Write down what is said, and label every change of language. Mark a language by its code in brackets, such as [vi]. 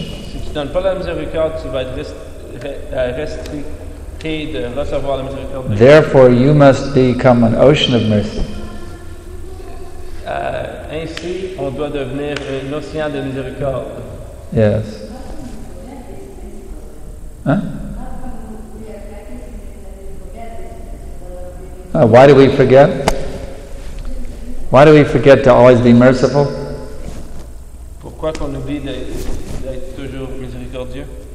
[fr] Si tu donnes pas la miséricorde, tu vas être restricté de recevoir la miséricorde. [en] Therefore, you must become an ocean of mercy. [fr] Ainsi, on doit devenir un océan de miséricorde. [en] Yes. Why do we forget? Why do we forget to always be merciful? [fr] Pourquoi qu'on oublie d'être toujours miséricordieux?